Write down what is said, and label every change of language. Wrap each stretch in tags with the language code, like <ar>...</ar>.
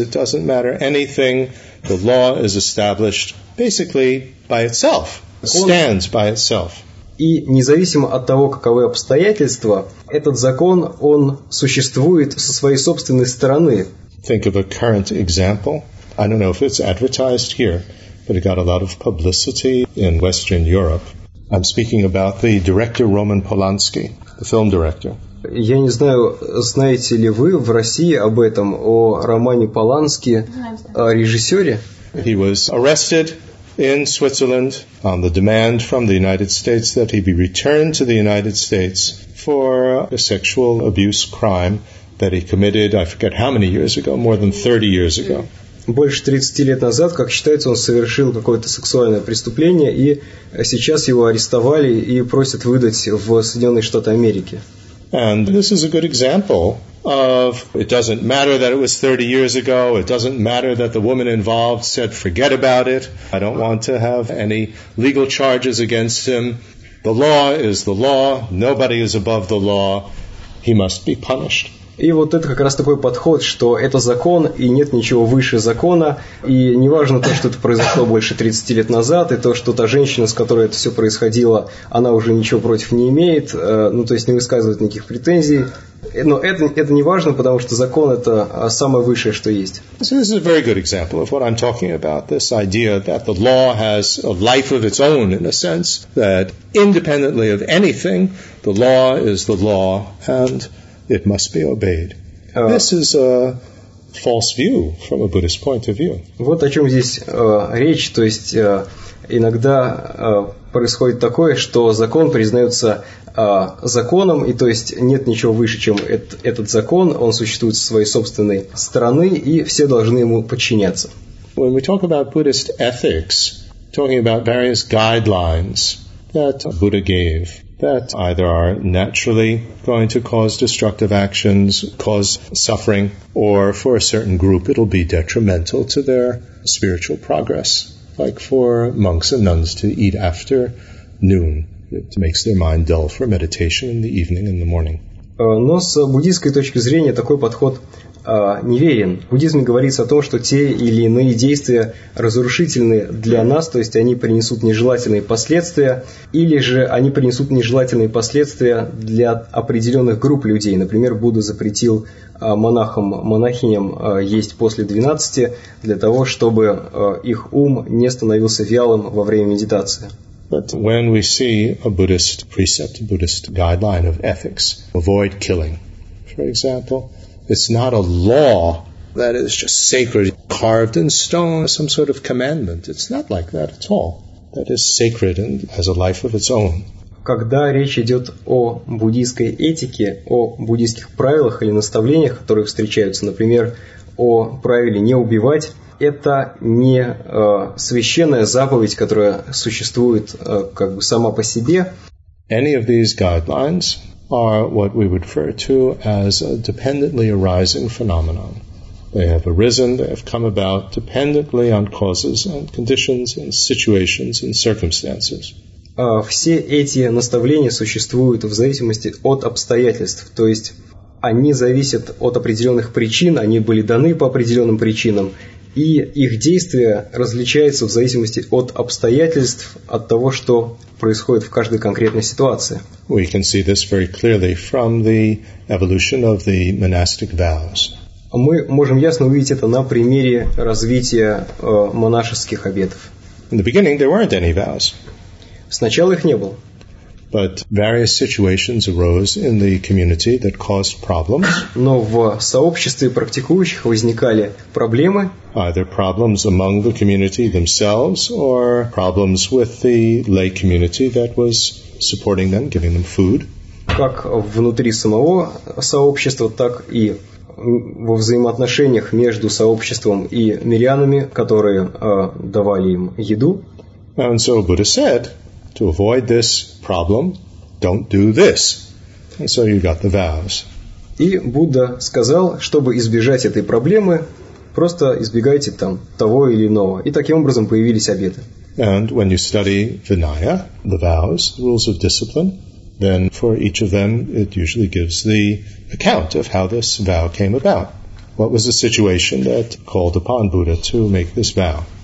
<en>It doesn't matter anything. The law is established basically by itself. Stands by itself.</en> <ru>И независимо от того, каковы обстоятельства, этот закон, он существует со своей собственной стороны.</ru> <en>Think of a current example. I don't know if it's advertised here, but it got a lot of publicity in Western Europe. I'm speaking about the director Roman Polanski, the film director.</en> <ru>Я не знаю, знаете ли вы в России об этом, о Романе Полански, о режиссере?</ru> <en>He was arrested in Switzerland on the demand from the United States that he be returned to the United States for a sexual abuse crime that he committed, I forget how many years ago, more than 30 years ago.</en> <ru>Больше 30 лет назад, как считается, он совершил какое-то сексуальное преступление, и сейчас его арестовали и просят выдать в Соединенные Штаты Америки.</ru> <en>And this is a good example of it doesn't matter that it was 30 years ago, it doesn't matter that the woman involved said forget about it, I don't want to have any legal charges against him. The law is the law, nobody is above the law, he must be punished.</en> <ru>И вот это как раз такой подход, что это закон, и нет ничего выше закона, и неважно то, что это произошло больше 30 лет назад, и то, что та женщина, с которой это все происходило, она уже ничего против не имеет, ну, то есть не высказывает никаких претензий. Но это не важно, потому что закон – это самое высшее, что есть.</ru> <en>So this is a very good example of what I'm talking about, this idea that the law has a life of its own, in a sense, that independently of anything, the law is the law, and it must be obeyed. This is a false view from a Buddhist point of view.</en> <ru>Вот о чем здесь речь. То есть иногда происходит такое, что закон признается законом, и то есть нет ничего выше, чем этот закон. Он существует со своей собственной стороны, и все должны ему подчиняться.</ru> <en>When we talk about Buddhist ethics, talking about various guidelines that Buddha gave, that either are naturally going to cause destructive actions, cause suffering, or for a certain group it'll be detrimental to their spiritual progress. Like for monks and nuns to eat after noon. It makes their mind dull for meditation in the evening and the morning.</en> <ru>Но с буддийской точки зрения такой подход неверен. В буддизме говорится о том, что те или иные действия разрушительны для нас, то есть они принесут нежелательные последствия, или же они принесут нежелательные последствия для определенных групп людей. Например, Будда запретил монахам, монахиням есть после 12 для того, чтобы их ум не становился вялым во время медитации.</ru> <en>But when we see a Buddhist precept, a Buddhist guideline of ethics, avoid killing, for example, it's not a law that is just sacred, carved in stone, some sort of commandment. It's not like that at all. That is sacred and has a life of its own.</en> <ru>Когда речь идет о буддийской этике, о буддийских правилах или наставлениях, которые встречаются, например, о правиле «не убивать», это не священная заповедь, которая существует как бы сама по себе.</ru> <en>Any of these guidelines are what we would refer to as a dependently arising phenomenon. They have arisen, they have come about dependently on causes and conditions and situations and circumstances.</en> <ru>Все эти наставления существуют в зависимости от обстоятельств, то есть они зависят от определенных причин, они были даны по определенным причинам, и их действие различается в зависимости от обстоятельств, от того, что происходит в каждой конкретной ситуации.</ru> <en>We can see this very clearly from the evolution of the monastic vows.</en> <ru>Мы можем ясно увидеть это на примере развития монашеских обетов.</ru> <en>In the beginning there weren't any vows.</en> <ru>Сначала их не было.</ru> <en>But various situations arose in the community that caused problems.</en> <ru>Но в сообществе практикующих возникали проблемы.</ru> <en>Either problems among the community themselves or problems with the lay community that was supporting them, giving them food.</en> <ru>Как внутри самого сообщества, так и во взаимоотношениях между сообществом и мирянами, которые давали им еду.</ru> <en>And so Buddha said, to avoid this problem, don't do this. And so you got the vows.</en> <ru>И Будда сказал, чтобы избежать этой проблемы, просто избегайте там того или иного. И таким образом появились обеты.</ru> <en>And when you study Vinaya, the vows, the rules of discipline, then for each of them, it usually gives the account of how this vow came about. What was the situation that called upon Buddha to make this vow?</en>